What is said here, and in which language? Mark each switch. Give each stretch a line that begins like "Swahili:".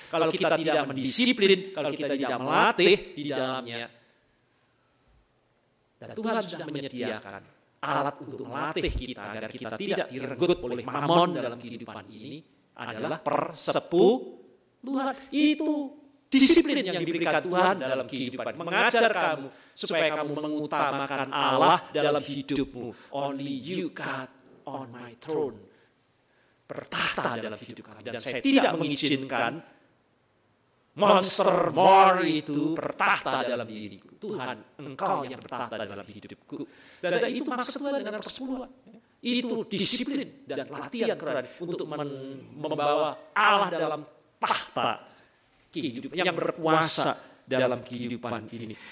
Indonesian: Kalau kita tidak mendisiplin, kalau kita tidak melatih di dalamnya, dan Tuhan sudah menyediakan alat untuk melatih kita agar kita tidak direnggut oleh mamon dalam kehidupan ini adalah persepuluhan. Itu disiplin yang diberikan Tuhan dalam kehidupan. Mengajar kamu supaya kamu mengutamakan Allah dalam hidupmu.
English: Only you God on my throne.
Indonesian: Bertahta dalam hidup kamu. Dan saya tidak mengizinkan monster more itu bertahta dalam diriku. Tuhan, engkau yang bertahta dalam hidupku. Dan itu maksud Tuhan dengan persepuluhan. Itu disiplin dan latihan keras untuk membawa Allah dalam tahta kehidupan yang berkuasa dalam kehidupan ini.